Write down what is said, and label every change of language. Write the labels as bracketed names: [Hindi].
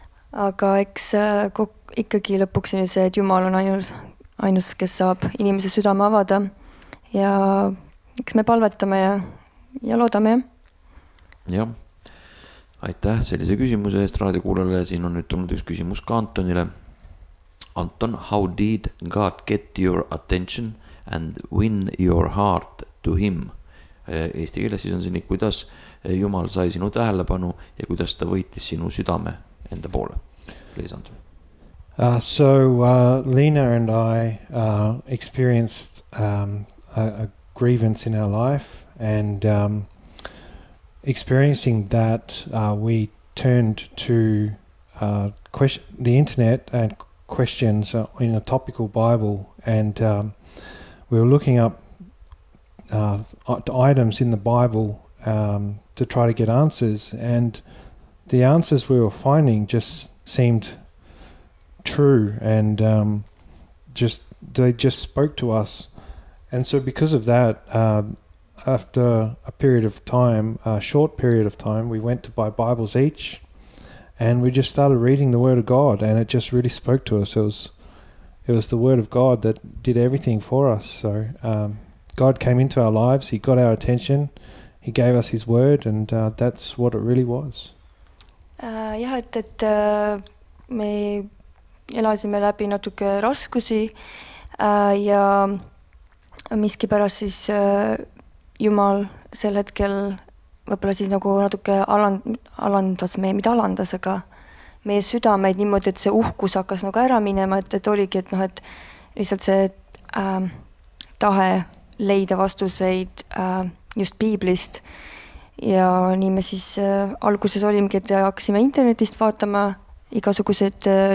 [Estonian] Aga eks ikkagi lõpuks on see, et Jumal on ainus, kes saab inimese südame avada. Ja eks me palvetame ja loodame. Jah. Aitäh sellise küsimuse eest raadiokuulele. Siin on nüüd tulnud üks küsimus ka Antonile. [English] Anton, how did God get your attention and win your heart to him? [Estonian] Eesti keeles siis on see nii, kuidas Jumal sai sinu tähelepanu ja kuidas ta võitis sinu südame enda poole. [English] Please, Anton. Lena and I experienced a grievance in our life and experiencing that we turned to question, the internet and questions in a topical Bible and we were looking up items in the Bible to try to get answers and the answers we were finding just seemed true and they just spoke to us and so because of that after a period of time a short period of time we went to buy Bibles each and we just started reading the word of God and it just really spoke to us. It was the word of God that did everything for us. So God came into our lives, he got our attention, he gave us his word and that's what it really was. [Estonian] Me elasime läbi natuke raskusi ja miski pärast siis Jumal sel hetkel võib-olla siis nagu natuke alandas, aga meie südameid niimoodi, et see uhkus hakkas nagu ära minema, et oligi, et noh, et lihtsalt see tahe leida vastuseid just piiblist ja nii me siis alguses olimgi, et hakkasime internetist vaatama igasugused,